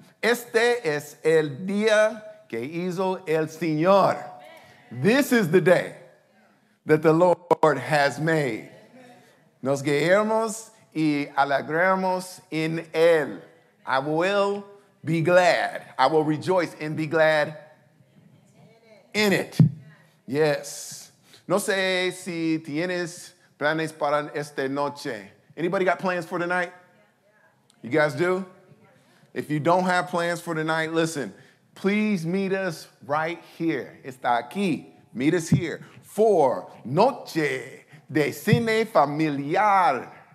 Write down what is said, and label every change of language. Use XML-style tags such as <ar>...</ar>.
<es>Este es el día que hizo el Señor.</es> <en>This is the day that the Lord has made.</en> <es>Nos guiamos y alegramos en él.</es> <en>I will be glad. I will rejoice and be glad in it. Yes.</en> <es>No sé si tienes planes para esta noche.</es> <en>Anybody got plans for tonight? You guys do? If you don't have plans for tonight, listen, please meet us right here. Está aquí. Meet us here for Noche de Cine Familiar.</en>